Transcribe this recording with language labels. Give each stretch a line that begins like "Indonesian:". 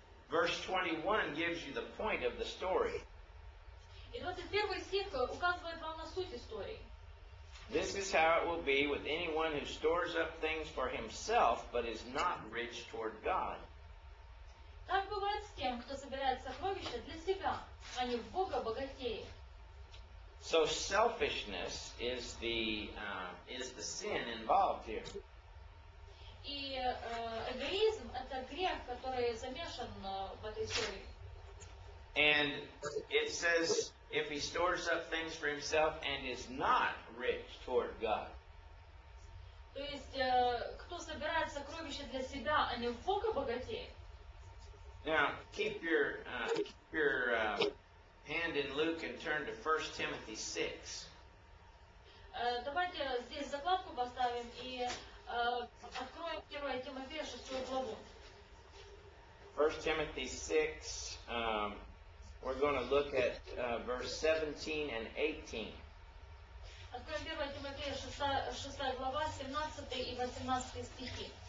English: Verse 21 gives you the point of the story.
Russian: И 21 стих указывает вам на суть истории.
English: This is how it will be with anyone who stores up things for himself but is not rich toward God.
Russian: Так бывает с тем, кто собирает сокровища для себя, а не в Бога богатеет.
English: So selfishness is the sin involved here.
Russian: И эгоизм — это грех, который замешан в этой истории.
English: And it says, if he stores up things for himself and is not rich toward God.
Russian: То есть кто собирает сокровища для себя, а не в Бога богатеет.
English: Now keep your hand in Luke and turn to 1 Timothy 6.
Russian: Давайте здесь закладку поставим и откроем 1 Тимофея 6 главу.
English: 1 Timothy 6, we're going to look at verse 17 and 18.
Russian: Откроем 1 Тимофея 6 глава, 17 и 18 стихи.